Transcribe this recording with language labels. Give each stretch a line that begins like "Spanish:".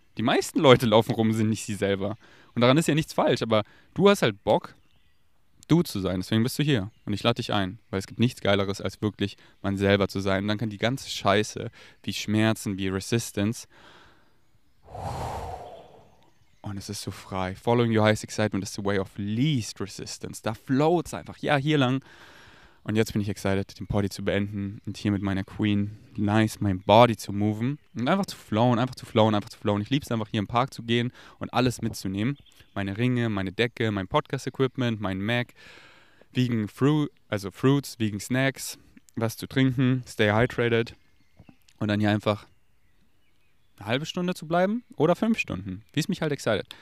German: Die meisten Leute laufen rum, sind nicht sie selber. Und daran ist ja nichts falsch, aber du hast halt Bock, du zu sein. Deswegen bist du hier. Und ich lade dich ein, weil es gibt nichts Geileres, als wirklich man selber zu sein. Und dann kann die ganze Scheiße, wie Schmerzen, wie Resistance, und es ist so frei.
English: Following your highest excitement is the way of least resistance.
German: Da floats einfach. Ja, hier lang. Und jetzt bin ich excited, den Party zu beenden und hier mit meiner Queen nice mein Body zu moven und einfach zu flowen, einfach zu flowen, einfach zu flowen. Ich liebe es einfach, hier im Park zu gehen und alles mitzunehmen. Meine Ringe, meine Decke, mein Podcast-Equipment, mein Mac, vegan Fruits, vegan Snacks, was zu trinken,
English: stay hydrated
German: und dann hier einfach eine halbe Stunde zu bleiben oder 5 Stunden, wie es mich halt excited.